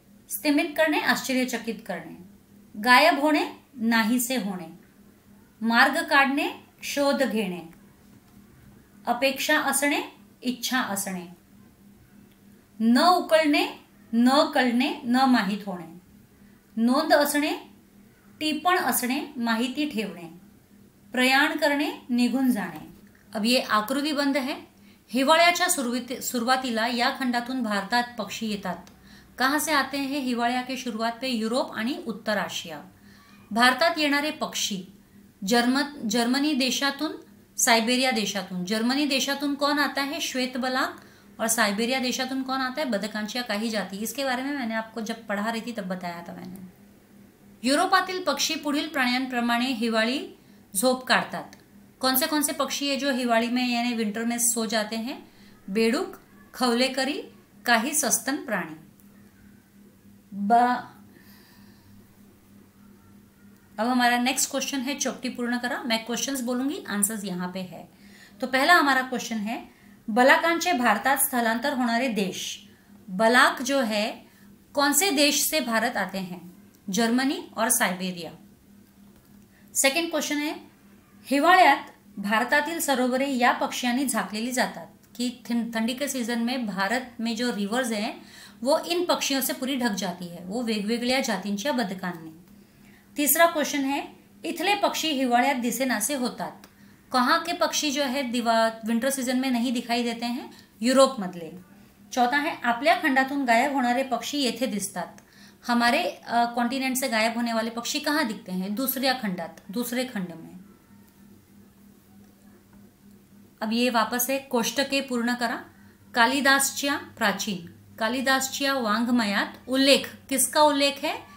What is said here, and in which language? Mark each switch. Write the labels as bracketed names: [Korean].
[Marathi] स्तिमित करने आश्चर्यचकित करने, गायब होने नाही से होने, मार्ग काढणे शोध घेणे, अपेक्षा असणे इच्छा असणे, न उकळणे न कळणे न माहीत होणे, नोंद असणे टिपण असणे माहिती ठेवणे, प्रयाण करणे निघून जाणे। [Hindi] अब ये आकृती बंद है। [Marathi] हिवाळ्याच्या सुरुवातीला या खंडातून भारतात पक्षी येतात। [Hindi] कहाँ से आते हैं हिवाळ्या के शुरुआत पे? [Marathi] युरोप आणि उत्तर आशिया। भारतात येणारे पक्षी जर्मनी देशातून, सायबेरिया देशातून। [Hindi] जर्मनी देशातून कौन आता है? श्वेत बलाक। और सायबेरिया देशातून कौन आता है? [Marathi] बदकांचिया काही जाती। [Hindi] इसके बारे में मैंने आपको जब पढ़ा रही थी तब बताया था मैंने। [Marathi] युरोपातील पक्षी पुढील प्राण्यांप्रमाणे हिवाळी झोप काढतात। [Hindi] कौन से पक्षी है जो हिवाळी में यानी विंटर में सो जाते हैं? [Marathi] बेडूक, खवलेकरी, काही सस्तन प्राणी। [Hindi] अब हमारा नेक्स्ट क्वेश्चन है, [Marathi] चौकटी पूर्ण करा, [Hindi] मैं क्वेश्चंस बोलूंगी, आंसर्स यहाँ पे है। तो पहला हमारा क्वेश्चन है, [Marathi] बलाकांचे भारतात स्थलांतर होणारे देश। [Hindi] बलाक जो है कौन से देश से भारत आते हैं? जर्मनी और साइबेरिया। सेकंड क्वेश्चन है, [Marathi] हिवाळ्यात भारतातील सरोवरे या पक्षियांनी झाकलेली जातात, [Hindi] कि थंडी के सीजन में भारत में जो रिवर्स हैं वो इन पक्षियों से पूरी ढक जाती है, [Marathi] वो वेगवेगळ्या जातींच्या बदकांनी। [Hindi] तीसरा क्वेश्चन है, [Marathi] इथले पक्षी हिवाळ्यात दिसेनासे होतात। [Hindi] कहाँ के पक्षी जो है विंटर सीजन में नहीं दिखाई देते हैं? [Marathi] यूरोप मधले। चौथा है, आपल्या खंडातून गायब होणारे पक्षी येथे दिसतात। [Hindi] हमारे कॉन्टिनेंट से गायब होने वाले पक्षी कहाँ दिखते हैं? दूसरे खंडात, दूसरे खंड में। अब ये वापस है, [Marathi] कोष्टके पूर्ण करा। कालिदासच्या प्राचीन, कालिदासच्या वांग्मयात उल्लेख, [Hindi] किसका उल्लेख है?